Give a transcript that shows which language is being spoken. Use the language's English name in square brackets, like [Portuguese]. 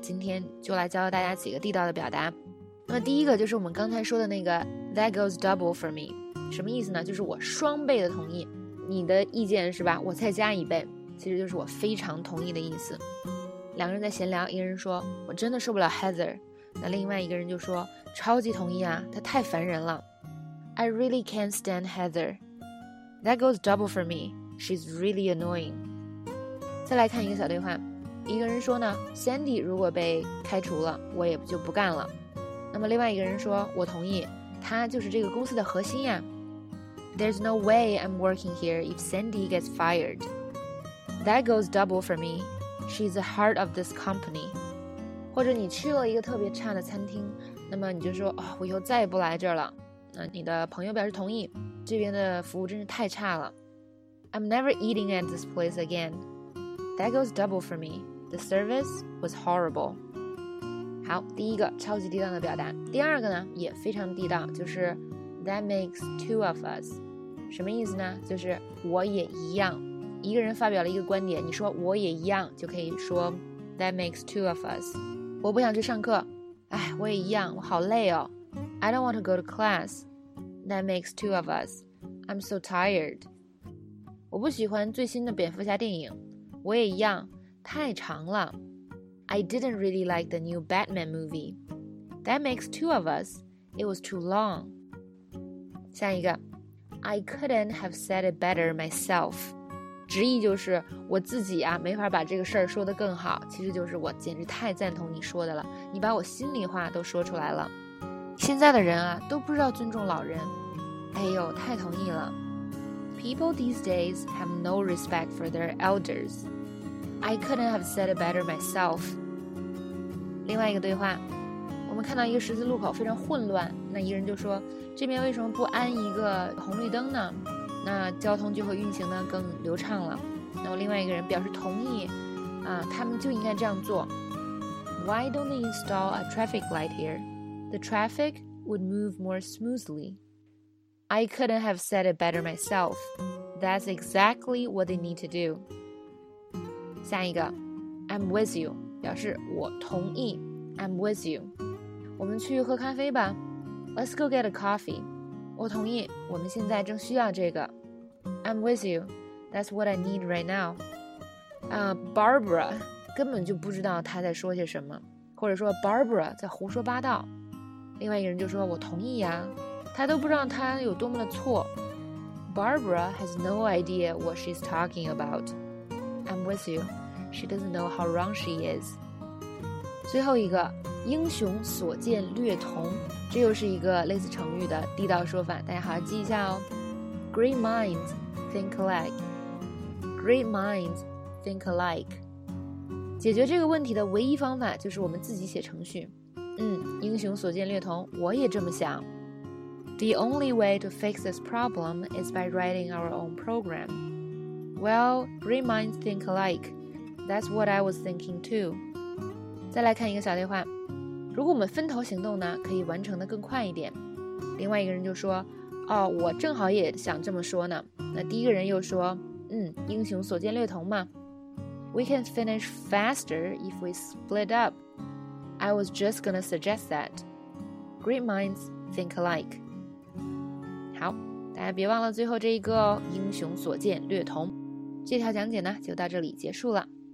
[Chinese] 今天就来教大家几个地道的表达。那么第一个就是我们刚才说的那个 [English] That goes double for me， [Chinese] 什么意思呢？就是我双倍的同意你的意见，是吧？我再加一倍，其实就是我非常同意的意思。两个人在闲聊，一个人说我真的受不了 Heather， 那另外一个人就说超级同意啊，他太烦人了。 [English] I really can't stand Heather. That goes double for me. She's really annoying. [Chinese] 再来看一个小对话，一个人说呢 ，Sandy 如果被开除了，我也就不干了。那么另外一个人说，我同意，他就是这个公司的核心呀。 [English] There's no way I'm working here if Sandy gets fired. That goes double for me. She's the heart of this company. [Chinese] 或者你去了一个特别差的餐厅，那么你就说，哦，我以后再也不来这儿了。那你的朋友表示同意，这边的服务真是太差了。 [English] I'm never eating at this place again. That goes double for me. The service was horrible. [Chinese] 好，第一个超级地道的表达。第二个呢也非常地道，就是 [English] That makes two of us. [Chinese] 什么意思呢？就是我也一样。一个人发表了一个观点，你说我也一样，就可以说 [English] That makes two of us. [Chinese] 我不想去上课。哎，我也一样，我好累哦。 [English] I don't want to go to class. That makes two of us. I'm so tired. [Chinese] 我不喜欢最新的蝙蝠侠电影。我也一样，太长了。 [English] I didn't really like the new Batman movie. That makes two of us. It was too long. [Chinese] 下一个 [English] ，I couldn't have said it better myself. [Chinese] 直译就是我自己啊，没法把这个事儿说得更好。其实就是我简直太赞同你说的了，你把我心里话都说出来了。现在的人啊，都不知道尊重老人。哎呦，太同意了。 [English] People these days have no respect for their elders. I couldn't have said it better myself. [Chinese] 另外一个对话，我们看到一个十字路口非常混乱，那一人就说，这边为什么不安一个红绿灯呢？那交通就会运行得更流畅了。那我另外一个人表示同意，啊，他们就应该这样做。 [English] Why don't they install a traffic light here? The traffic would move more smoothly. I couldn't have said it better myself. That's exactly what they need to do. [Chinese] 下一个 [English] I'm with you [Chinese] 表示我同意。 [English] I'm with you. [Chinese] 我们去喝咖啡吧。 [English] Let's go get a coffee. [Chinese] 我同意，我们现在正需要这个。 [English] I'm with you. That's what I need right now. [Chinese] Barbara 根本就不知道她在说些什么，或者说 Barbara 在胡说八道。另外一个人就说，我同意呀，他都不知道他有多么的错。 [English] Barbara has no idea what she's talking about. I'm with you. She doesn't know how wrong she is. [Chinese] 最后一个，英雄所见略同，这又是一个类似成语的地道说法，大家好好记一下哦。 [English] Great minds think alike. Great minds think alike. [Chinese] 解决这个问题的唯一方法就是我们自己写程序。嗯，英雄所见略同，我也这么想。 [English] The only way to fix this problem is by writing our own program. Well, great minds think alike. That's what I was thinking too. [Chinese] 再来看一个小对话，如果我们分头行动呢，可以完成的更快一点。另外一个人就说，哦，我正好也想这么说呢。那第一个人又说，嗯，英雄所见略同嘛。 [English] We can finish faster if we split up. I was just gonna suggest that. Great minds think alike. [Chinese] 好，大家别忘了最后这一个哦，英雄所见略同。这条讲解呢，就到这里结束了。